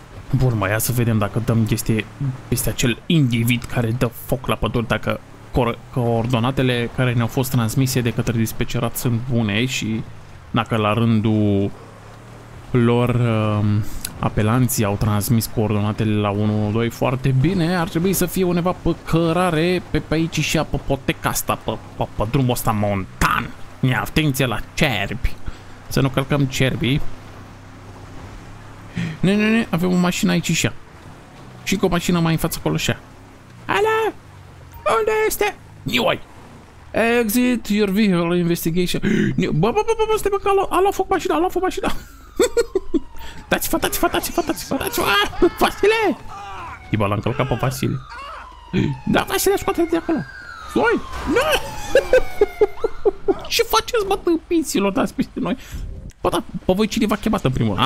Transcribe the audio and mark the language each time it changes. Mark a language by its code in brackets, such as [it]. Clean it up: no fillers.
[ro] Bun, mă, ia să vedem dacă dăm chestie peste acel individ care dă foc la păduri, dacă coordonatele care ne-au fost transmise de către dispecerat sunt bune și dacă la rândul lor apelanții au transmis coordonatele la 112 foarte bine, ar trebui să fie undeva pe cărare, pe aici și pe poteca asta, pe drumul ăsta montan. Ia atenție la cerbi. Să nu călcăm cerbii. Ne, avem o mașină aici și ea. Și cu o mașină mai în față acolo și ea. Ala! Unde este? Ioi! [en] Exit your vehicle investigation. [ro] Bă, stai, bă, că a luat foc mașina, a luat foc mașina. Dați-vă, dați-vă, dați-vă, dați-vă, dați-vă, Vasile! Iba l-a încălcat pe Vasile. Da, Vasile, scoate-te de acolo. Soi! Nu! Ce faceți, bă, tâmpiților, dați peste noi? Bă, da, pe voi cineva chemat în primul rând.